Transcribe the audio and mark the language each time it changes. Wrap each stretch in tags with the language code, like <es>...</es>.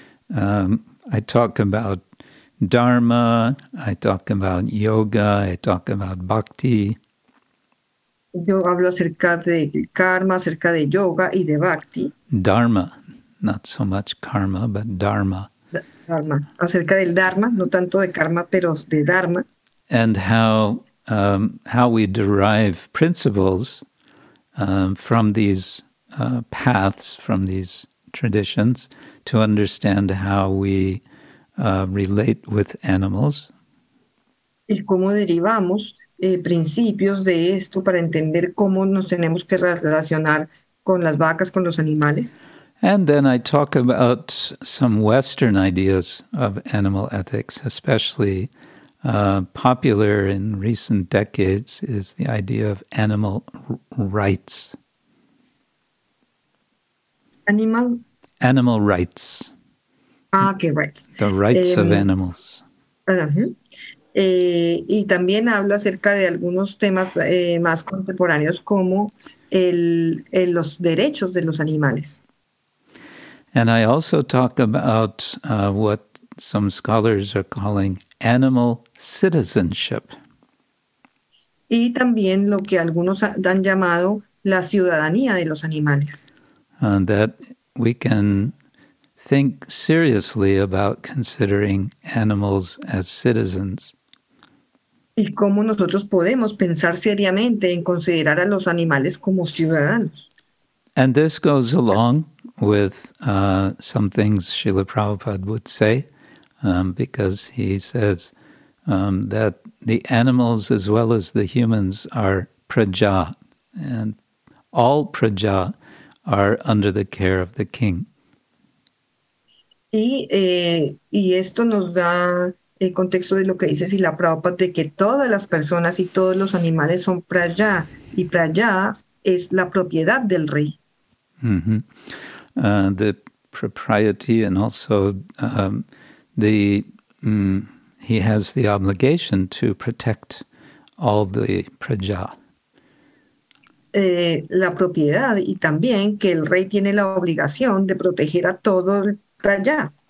<en>I talk about dharma, I talk about yoga, I talk about bhakti.</en> <es>Yo hablo acerca de karma, acerca de yoga y de bhakti.</es> <en>Dharma, not so much karma, but dharma.</en> <es>Dharma, acerca del dharma, no tanto de karma, pero de dharma.</es> <en>And how we derive principles from these paths, from these traditions, to understand how we relate with animals.</en> <es>Y cómo derivamos principios de esto para entender cómo nos tenemos que relacionar con las vacas, con los animales.</es> <en>And then I talk about some Western ideas of animal ethics, especially popular in recent decades is the idea of animal rights. Animal rights. Ah, okay, rights. The rights of animals. Uh-huh.</en> <es>Y también habla acerca de algunos temas más contemporáneos como los derechos de los animales.</es> <en>And I also talk about what some scholars are calling animal citizenship.</en> <es>Y también lo que algunos han llamado la ciudadanía de los animales.</es> <en>And that we can think seriously about considering animals as citizens.</en> <es>Y cómo nosotros podemos pensar seriamente en considerar a los animales como ciudadanos.</es> <en>And this goes along with some things Srila Prabhupada would say, because he says that the animals as well as the humans are praja, and all praja are under the care of the king.</en> <es>Y esto nos da el contexto de lo que dice Srila Prabhupada, de que todas las personas y todos los animales son praja, y praja es la propiedad del rey. Mm-hmm.</es> <en>The propriety and also he has the obligation to protect all the praja.</en> <es>La propiedad y también que el rey tiene la obligación de proteger a todo el praja.</es>